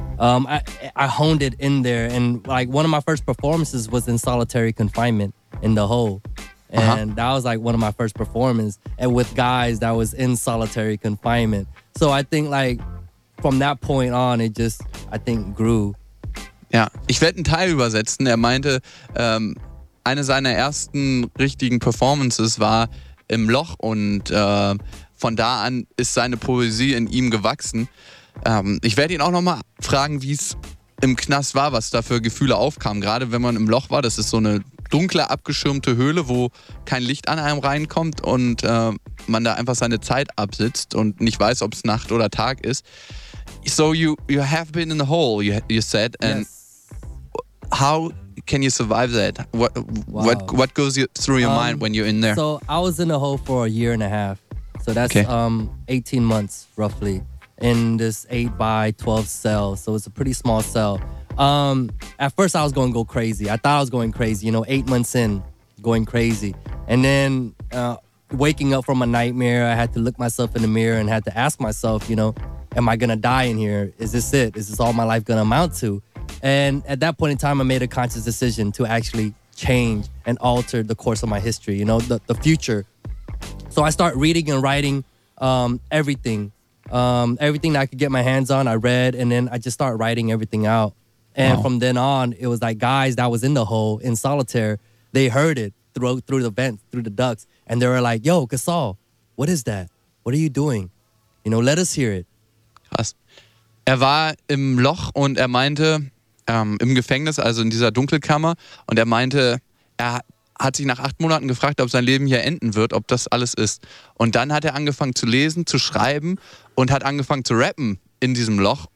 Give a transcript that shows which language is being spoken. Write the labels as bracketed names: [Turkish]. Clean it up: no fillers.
[English] I honed it in there. And like one of my first performances was in solitary confinement in the hole. And uh-huh. That was like one of my first performances and with guys that was in solitary confinement. So I think like from that point on, it just, I think, grew. [German] Ja, ich werde einen Teil übersetzen. Er meinte, eine seiner ersten richtigen Performances war im Loch und von da an ist seine Poesie in ihm gewachsen. Ich werde ihn auch nochmal fragen, wie es im Knast war, was da für Gefühle aufkamen. Gerade wenn man im Loch war, das ist so eine dunkle, abgeschirmte Höhle, wo kein Licht an einem reinkommt und man da einfach seine Zeit absitzt und nicht weiß, ob es Nacht oder Tag ist. [English] So you have been in the hole, you said, and yes. How can you survive that? What goes through your mind when you're in there? So I was in the hole for a year and a half. So that's okay. 18 months, roughly, in this 8x12 cell. So it's a pretty small cell. At first, I was going to go crazy. I thought I was going crazy, you know, 8 months in, going crazy. And then waking up from a nightmare, I had to look myself in the mirror and had to ask myself, you know, am I going to die in here? Is this it? Is this all my life going to amount to? And at that point in time, I made a conscious decision to actually change and alter the course of my history, you know, the future. So I start reading and writing everything. Everything that I could get my hands on, I read, and then I just start writing everything out. And from then on, it was like guys that was in the hole in solitaire, they heard it through the vent, through the ducts. And they were like, yo, Khosal, what is that? What are you doing? You know, let us hear it. [German] Krass. Er war im Loch und er meinte, im Gefängnis, also in dieser Dunkelkammer. Und er meinte, er hat sich nach 8 Monaten gefragt, ob sein Leben hier enden wird, ob das alles ist. Und dann hat er angefangen zu lesen, zu schreiben und hat angefangen zu rappen in diesem Loch.